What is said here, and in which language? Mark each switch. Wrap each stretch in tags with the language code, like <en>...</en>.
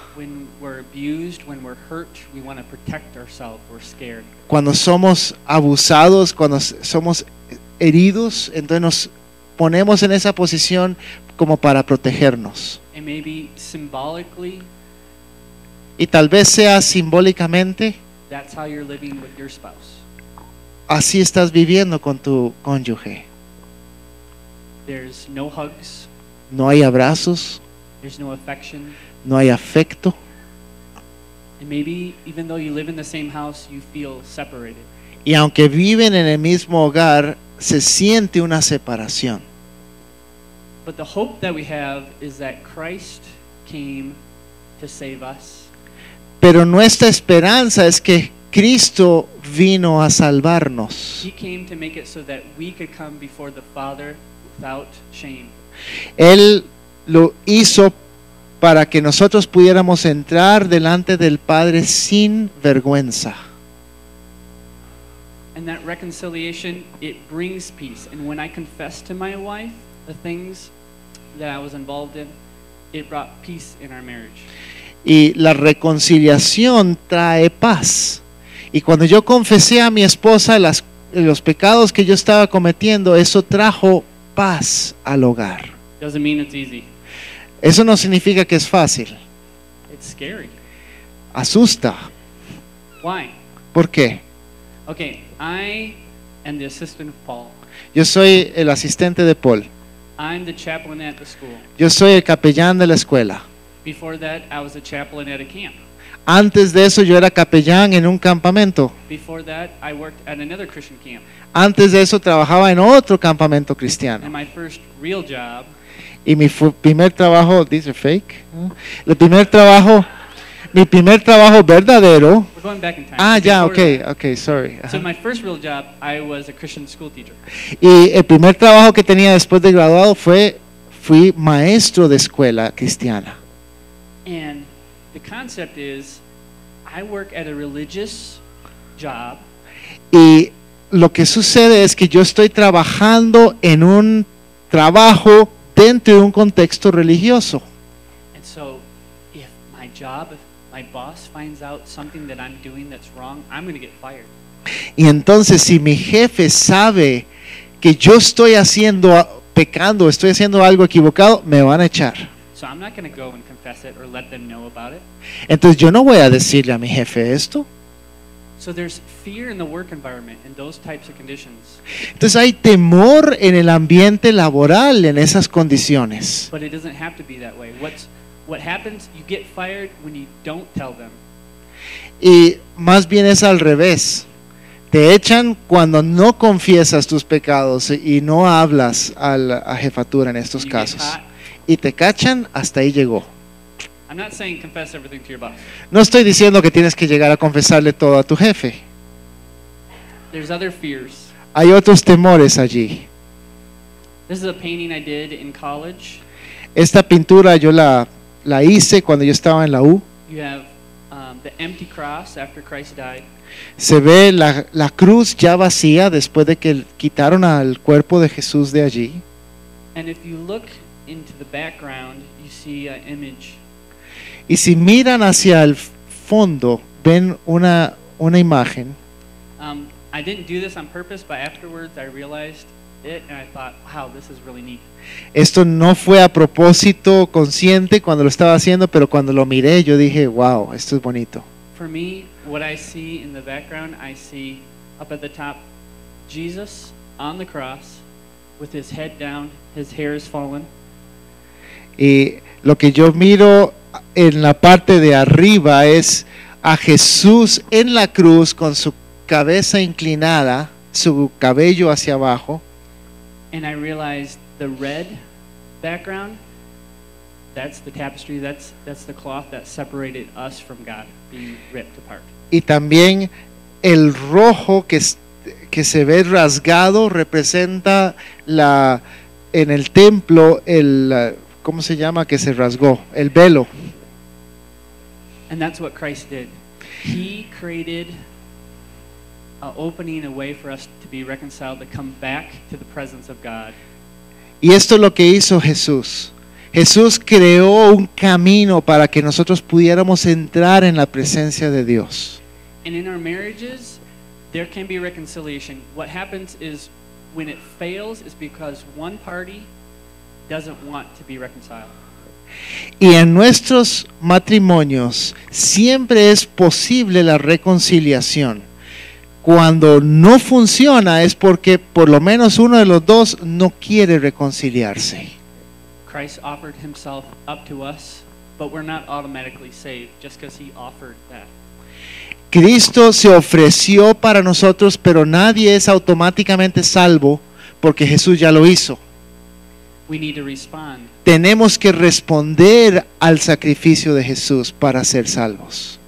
<en>When we're abused, when we're hurt, we want to protect ourselves, we're scared.</en> <es>Cuando somos abusados, cuando somos heridos, entonces nos ponemos en esa posición como para protegernos.</es> <en>And maybe symbolically,</en> <es>y tal vez sea simbólicamente.</es> <en>That's how you're living with your spouse.</en> <es>Así estás viviendo con tu cónyuge.</es> <en>There's no hugs.</en> <es>No hay abrazos.</es> <en>There's no affection.</en> <es>No hay afecto.</es> <en>And maybe even though you live in the same house, you feel separated.</en> <es>Y aunque viven en el mismo hogar, se siente una separación.</es> <en>But the hope that we have is that Christ came to save us.</en> <es>Pero nuestra esperanza es que Cristo vino a salvarnos.</es> <en>He came to make it so that we could come before the Father without shame.</en> <es>Él lo hizo para que nosotros pudiéramos entrar delante del Padre sin vergüenza.</es> <en>And that reconciliation, it brings peace. And when I confessed to my wife the things that I was involved in, it brought peace in our marriage.</en> <es>Y la reconciliación trae paz. Y cuando yo confesé a mi esposa los pecados que yo estaba cometiendo, eso trajo paz al hogar.</es> <en>Doesn't mean it's easy.</en> <es>Eso no significa que es fácil.</es> <en>It's scary.</en> <es>Asusta.</es> <en>Why?</en> <es>¿Por qué?</es> <en>Okay, I am the assistant of Paul.</en> <es>Yo soy el asistente de Paul.</es> <en>I'm the chaplain at the school.</en> <es>Yo soy el capellán de la escuela.</es> <en>Before that, I was a chaplain at a camp.</en> <es>Antes de eso, yo era capellán en un campamento.</es> <en>Before that, I worked at another Christian camp.</en> <es>Antes de eso, trabajaba en otro campamento cristiano.</es> <en>And my first real job.</en> <es>Y mi primer trabajo,</es> <en>these are fake.</en> <es>El primer trabajo, mi primer trabajo verdadero.</es> <en>We're going back in time. Ah, ya, okay, okay, sorry. So my first real job, I was a Christian school teacher.</en> <es>Y el primer trabajo que tenía después de graduado fui maestro de escuela cristiana.</es> <en>And the concept is, I work at a religious job.</en> <es>Y lo que sucede es que yo estoy trabajando en un trabajo dentro de un contexto religioso.</es> <en>And so, if my job, if my boss finds out something that I'm doing that's wrong, I'm going to get fired.</en> <es>Y entonces, si mi jefe sabe que yo estoy haciendo pecando, estoy haciendo algo equivocado, me van a echar.</es> <en>So I'm not going to go and confess it or let them know about it.</en> <es>Entonces yo no voy a decirle a mi jefe esto.</es> <en>So there's fear in the work environment in those types of conditions.</en> <es>Entonces hay temor en el ambiente laboral en esas condiciones.</es> <en>But it doesn't have to be that way. What happens, you get fired when you don't tell them.</en> <es>Y más bien es al revés. Te echan cuando no confiesas tus pecados y no hablas a la jefatura en estos casos. Y te cachan, hasta ahí llegó.</es> <en>I'm not saying confess everything to your boss.</en> <es>No estoy diciendo que tienes que llegar a confesarle todo a tu jefe.</es> <en>There's other fears.</en> <es>Hay otros temores allí.</es> <en>This is a painting I did in college.</en> <es>Esta pintura yo la hice cuando yo estaba en la U.</es> <en>You have the empty cross after Christ died.</en> <es>Se ve la cruz ya vacía después de que quitaron al cuerpo de Jesús de allí.</es> <en>And if you look into the background, you see an image.</en> <es>Y si miran hacia el fondo, ven una imagen.</es> <en>I didn't do this on purpose, but afterwards I realized it and I thought, wow, this is really neat.</en> <es>Esto no fue a propósito consciente cuando lo estaba haciendo, pero cuando lo miré, yo dije, wow, esto es bonito.</es> <en>For me, what I see in the background, I see up at the top, Jesus on the cross with his head down, his hair is fallen.</en> <es>Y lo que yo miro en la parte de arriba es a Jesús en la cruz con su cabeza inclinada, su cabello hacia abajo.</es> <en>And I realized the red background, that's the tapestry, that's the cloth that separated us from God, being ripped apart.</en> <es>Y también el rojo que se ve rasgado representa en el templo el, ¿cómo se llama? Que se rasgó, el velo.</es> <en>And that's what Christ did. He created an opening, a way for us to be reconciled, to come back to the presence of God.</en> <es>Y esto es lo que hizo Jesús. Jesús creó un camino para que nosotros pudiéramos entrar en la presencia de Dios.</es> <en>And in our marriages, there can be reconciliation. What happens is when it fails is because one party doesn't want to be reconciled.</en> <es>Y en nuestros matrimonios siempre es posible la reconciliación. Cuando no funciona es porque por lo menos uno de los dos no quiere reconciliarse.</es> <en>Christ offered himself up to us, but we're not automatically saved just because he offered that.</en> <es>Cristo se ofreció para nosotros, pero nadie es automáticamente salvo porque Jesús ya lo hizo.</es> <en>We need to respond.</en> <es>Tenemos que responder al sacrificio de Jesús para ser salvos.</es>